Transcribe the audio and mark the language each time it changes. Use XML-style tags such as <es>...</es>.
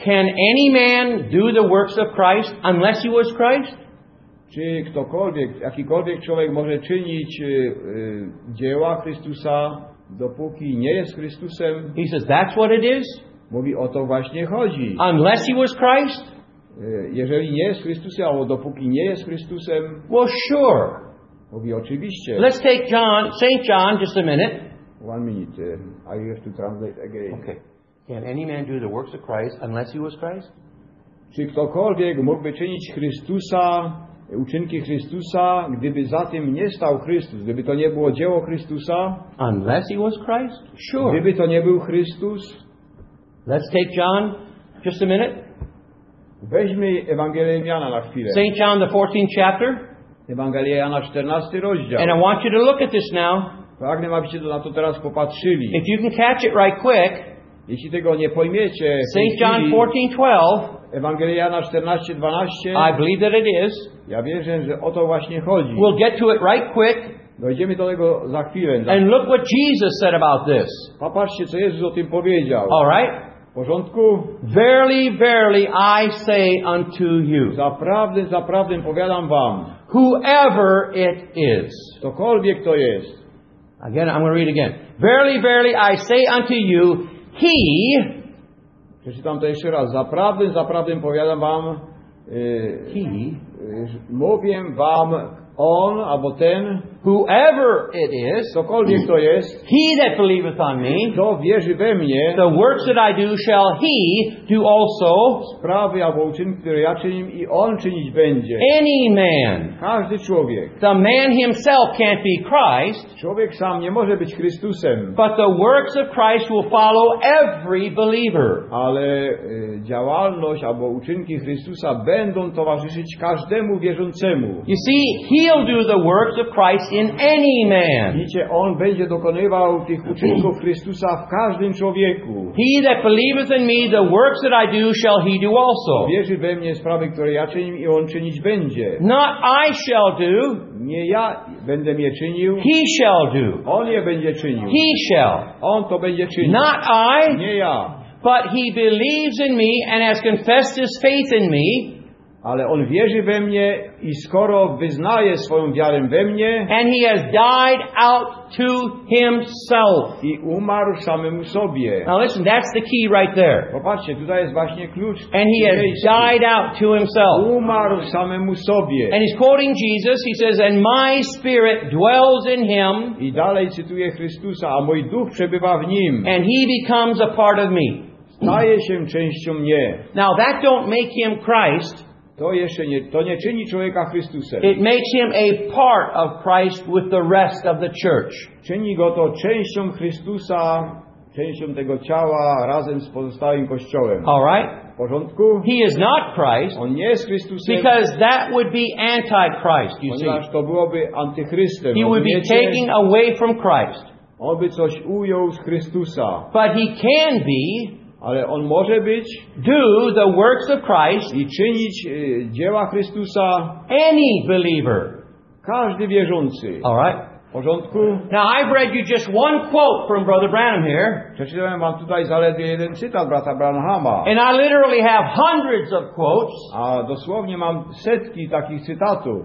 <en>Can any man do the works of Christ unless he was Christ?</en> <pl>Czy ktokolwiek, jakikolwiek człowiek może czynić dzieła Chrystusa, dopóki nie jest Chrystusem?</pl> <en>He says that's what it is.</en> <pl>Mówi, o to właśnie chodzi.</pl> <en>Unless he was Christ.</en> <pl>Jeżeli nie jest Chrystusem, albo dopóki nie jest Chrystusem.</pl> <en>Well, sure.</en> <pl>Mówi, oczywiście.</pl> <en>Let's take John, St. John, just a minute. 1 minute. I have to translate again. Okay. Can any man do the works of Christ unless he was Christ?</en> <pl>Czy ktokolwiek mógłby czynić Chrystusa, uczynki Chrystusa, gdyby za tym nie stał Chrystus? Gdyby to nie było dzieło Chrystusa?</pl> <en>Unless he was Christ? Sure.</en> <pl>Gdyby to nie był Chrystus?</pl> <en>Let's take John, just a minute.</en> <pl>Weźmy Ewangelię Jana na chwilę.</pl> <en>St. John, the 14th chapter.</en> <pl>Ewangelia Jana, 14 rozdział.</pl> <en>And I want you to look at this now.</en> <pl>Pragnę, abyście na to teraz popatrzyli.</pl> <en>If you can catch it right quick.</en> <pl>Jeśli tego nie pojmiecie.</pl> <en>St. John 14:12.</en> <pl>Ewangelia Jana 14:12.</pl> <en>I believe that it is.</en> <pl>Ja wierzę, że o to właśnie chodzi.</pl> <en>We'll get to it right quick.</en> <pl>Dojdziemy do tego za chwilę.</pl> <en>And look what Jesus said about this.</en> <pl>Popatrzcie, co Jezus o tym powiedział.</pl> <en>All right.</en> <pl>W porządku?</pl> <en>Verily, verily, I say unto you.</en> <pl>Zaprawdę, zaprawdę powiadam wam.</pl> <en>Whoever it is.</en> <pl>Ktokolwiek to jest.</pl> <en>Again, I'm going to read again. Verily, verily, I say unto you, he.</en> <pl>Przeczytam to jeszcze raz. Zaprawdę, zaprawdę powiadam wam.</pl> <en>He.</en> <pl>Mówię wam, on albo ten.</pl> <en>Whoever it is,</en> <pl>cokolwiek to jest,</pl> <en>he that believeth on me,</en> <pl>kto wierzy we mnie,</pl> <en>the works that I do shall he do also,</en> <pl>sprawy albo uczynki, które ja czynim, i on czynić będzie.</pl> <en>Any man,</en> <pl>każdy człowiek,</pl> <en>the man himself can't be Christ,</en> <pl>człowiek sam nie może być Chrystusem,</pl> <en>but the works of Christ will follow every believer,</en> <pl>ale działalność albo uczynki Chrystusa będą towarzyszyć każdemu wierzącemu.</pl> <en>You see, he'll do the works of Christ in any man.</en> <pl>Widzicie, on będzie dokonywał tych uczynków Chrystusa w każdym człowieku.</pl> <en>He that believeth in me, the works that I do, shall he do also.</en> <pl>Wierzy we mnie, sprawy, które ja czynię, i on czynić będzie.</pl> <en>Not I shall do.</en> <pl>Nie ja będę je czynił.</pl> <en>He shall do.</en> <pl>On je będzie czynił.</pl> <en>He shall.</en> <pl>On to będzie czynił.</pl> <en>Not I.</en> <pl>Nie ja.</pl> <en>But he believes in me and has confessed his faith in me.</en> <pl>Ale on wierzy we mnie i skoro wyznaje swoją wiarę we mnie,</pl> <en>and he has died out to himself.</en> <pl>I umarł samemu sobie.</pl> <en>Now listen, that's the key right there.</en> <pl>Popatrzcie, tutaj jest właśnie klucz.</pl> <en>And he has died out to himself.</en> <pl>Umarł samemu sobie.</pl> <en>And he's quoting Jesus. He says, and my spirit dwells in him.</en> <pl>I dalej cytuje Chrystusa, a mój duch przebywa w nim.</pl> <en>And he becomes a part of me.</en> <pl>Staje się częścią mnie.</pl> <en>Now that don't make him Christ.</en> <pl>To nie czyni człowieka Chrystusem.</pl> <en>It makes him a part of Christ with the rest of the church.</en> <pl>Czyni go to częścią Chrystusa, częścią tego ciała razem z pozostałym kościołem.</pl> <en>All right?</en> <pl>W porządku?</pl> <en>He is not Christ.</en> <pl>On nie jest Chrystusem.</pl> <en>Because that would be antichrist, you see.</en> <pl>Ponieważ to byłoby antychrystem.</pl> <en>He would be taking away from Christ.</en> <pl>On by coś ujął z Chrystusa.</pl> <en>But he can be.</en> <pl>Ale on może być,</pl> <en>do the works of Christ,</en> <pl>i czynić dzieła Chrystusa,</pl> <en>any believer,</en> <pl>każdy wierzący.</pl> <en>All right.</en> <pl>W porządku?</pl> <en>Now I've read you just one quote from Brother Branham here.</en> <pl>Przeczytałem wam tutaj zaledwie jeden cytat brata Branhama.</pl> <en>And I literally have hundreds of quotes.</en> <pl>A dosłownie mam setki takich cytatów.</pl>